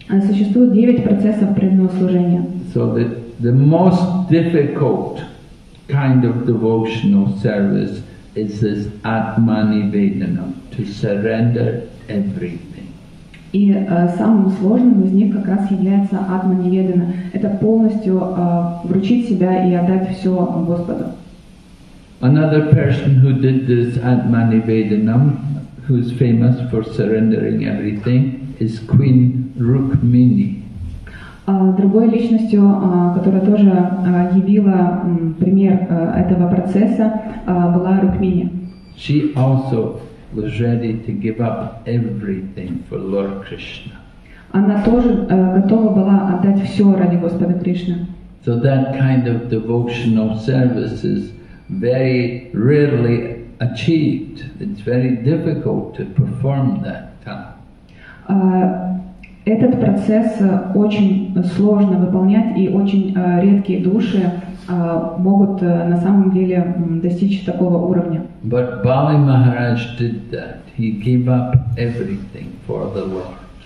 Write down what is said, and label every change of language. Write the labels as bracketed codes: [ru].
[ru] Существует 9 процессов преданного служения. [en] So the most difficult kind of devotional service is this Atmanivedana, to surrender everything. [ru] И самым сложным из них как раз является Атманиведана. Это полностью вручить себя и отдать все Господу. [en] Another person who did this Atmanivedanam, who is famous for surrendering everything, is Queen Rukmini. [ru] Другой личностью, которая тоже явила пример этого процесса, была Рукмини. [en] She also was ready to give up everything for Lord Krishna. [ru] Она тоже готова была отдать все ради Господа Кришны. [en] So that kind of devotional services very rarely achieved. It's very difficult to perform that task. [ru] Этот процесс очень сложно выполнять, и очень редкие души могут на самом деле достичь такого уровня. [en] But Bali Maharaj did that. He gave up everything for the Lord.